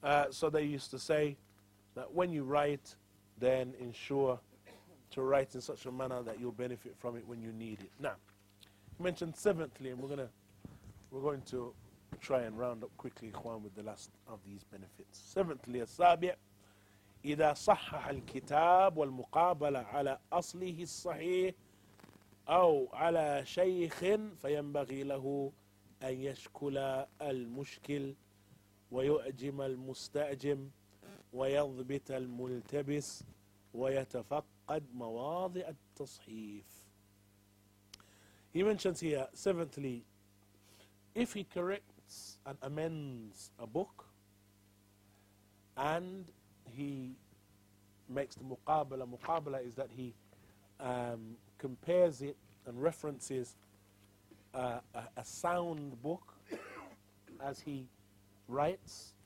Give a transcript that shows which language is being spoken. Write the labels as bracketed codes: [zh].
[en] So they used to say that when you write, then ensure to write in such a manner that you'll benefit from it when you need it. Now, you mentioned seventhly, and we're going to try and round up quickly, Ikhwan, with the last of these benefits. Seventhly, as-sabi' [ar] إذا صحح الكتاب والمقابلة على أصله الصحيح أو على شيخ فينبغي له أن يشكل المشكل ويؤجم المستأجم ويضبط الملتبس ويتفقد مواضع التصحيف. [en] He mentions here, seventhly, if he corrects and amends a book and he makes the muqabala. Muqabala is that he compares it and references a sound book as he writes.